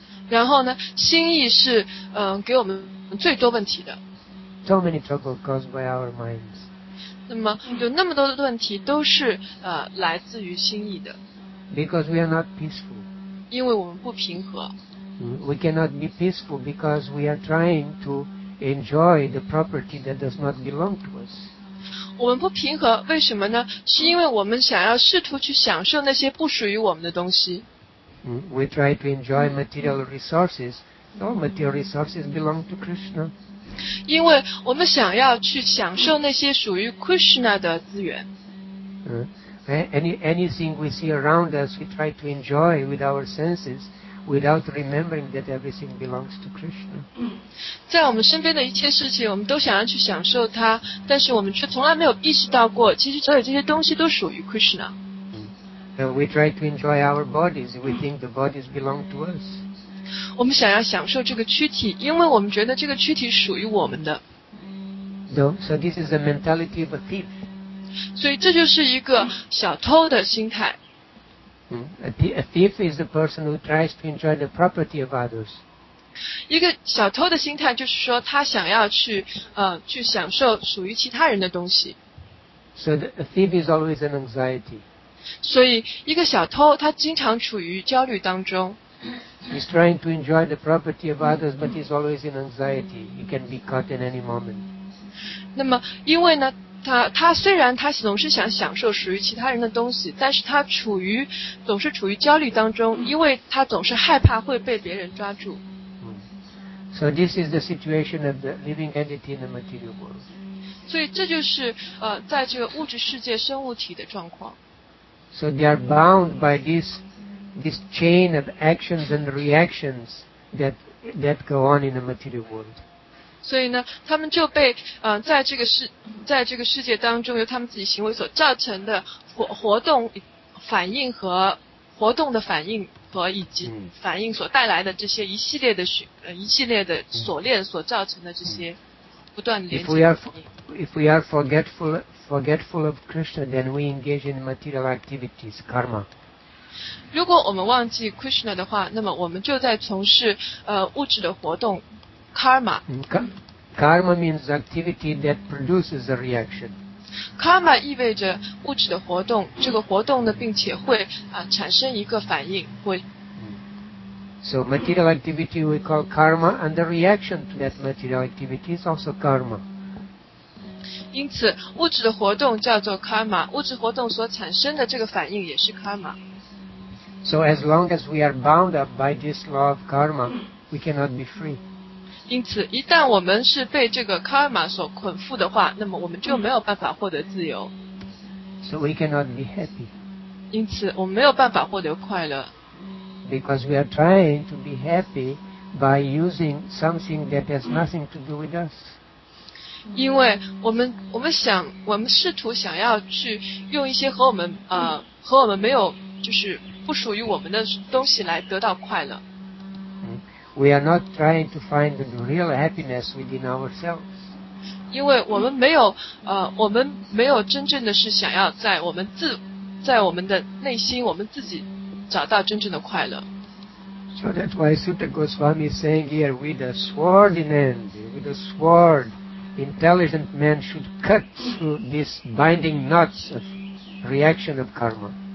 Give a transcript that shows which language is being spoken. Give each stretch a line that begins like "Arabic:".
Chinese: 然后呢，心意是给我们最多问题的。
English: So many trouble caused by our minds.
Chinese: 那么有那么多的问题都是来自于心意的。
English: Because we are not peaceful.
Chinese: 因为我们不平和。
English: We cannot be peaceful because we are trying to enjoy the property that does not belong to us.
Chinese: 我们不平和，为什么呢？是因为我们想要试图去享受那些不属于我们的东西。
English: We try to enjoy material resources. No material resources belong to Krishna.
Chinese: 因为我们想要去享受那些属于 Krishna 的资源。
English: Anything we see around us, we try to enjoy with our senses. without remembering that everything belongs to Krishna.
Chinese: 在我们身边的一切事情，我们都想要去享受它，但是我们却从来没有意识到过，其实所有这些东西都属于 Krishna.
English: We try to enjoy our bodies. We think the bodies belong to us.
Chinese: 我们想要享受这个躯体，因为我们觉得这个躯体属于我们的。
English: So this is the mentality of a thief.
Chinese: 所以这就是一个小偷的心态。
English: A thief is the person who tries to enjoy the property of others.
Chinese: 一个小偷的心态就是说他想要去享受属于其他人的东西。
English: So a thief is always an anxiety.
Chinese: 所以一个小偷他经常处于焦虑当中。
English: He's trying to enjoy the property of others, but he's always in anxiety. He can be caught in any moment.
Chinese: 那么因为呢他虽然他总是想享受属于其他人的东西，但是他总是处于焦虑当中，因为他总是害怕会被别人抓住。
English: So this is the situation of the living entity in the material world.
Chinese: 所以这就是在这个物质世界生物体的状况。
English: So they are bound by this chain of actions and reactions that go on in the material world.
Chinese: 所以呢他们就被在这个世界当中由他们自己行为所造成的活动的反应和以及反应所带来的这些一系列的锁链所造成的这些不断的连接的反应。
English: If we are forgetful of Krishna, then we engage in material activities, karma.
Chinese: 如果我们忘记 Krishna 的话，那么我们就在从事物质的活动。Karma.
English: Karma means activity that produces a reaction.
Chinese: Karma 意味着物质的活动，这个活动呢，并且会产生一个反应，会。
English: So material activity we call karma, and the reaction to that material activity is also karma.
Chinese: 因此，物质的活动叫做 karma， 物质活动所产生的这个反应也是 karma.
English: So as long as we are bound up by this law of karma, we cannot be free.
Chinese: 因此一旦我们是被这个 karma 所捆缚的话，那么我们就没有办法获得自由。
English: So we cannot be happy.
Chinese: 因此我们没有办法获得快乐。
English: Because we are trying to be happy by using something that has nothing to do with us.
Chinese: 因为我们试图想要去用一些和我们没有就是不属于我们的东西来得到快乐。
English: We are not trying to find the real happiness within ourselves.
Chinese: 因为我们没有真正的是想要在我们的内心我们自己找到真正的快乐。
English: So that's why Sutta Goswami is saying here, with a sword in hand, with a sword, intelligent man should cut through these binding knots of reaction of karma.